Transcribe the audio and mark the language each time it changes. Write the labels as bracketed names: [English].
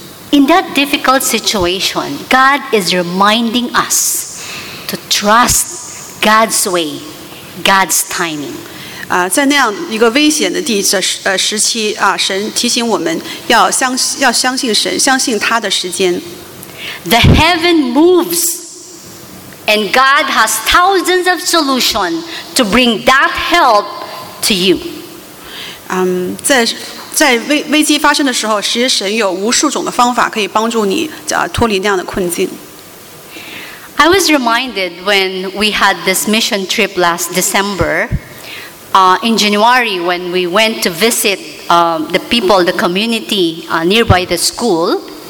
[English] In that difficult situation, God is reminding us to trust God's way, God's timing. [Chinese] 在那样一个危险的时期，神提醒我们要相信神，相信他的时间。 [English] The heaven moves, and God has thousands of solutions to bring that help to you. [Chinese] 在危机发生的时候，其实神有无数种的方法可以帮助你脱离那样的困境。 [English] I was reminded when we had this mission trip last December, in January when we went to visit the people, the community nearby the school.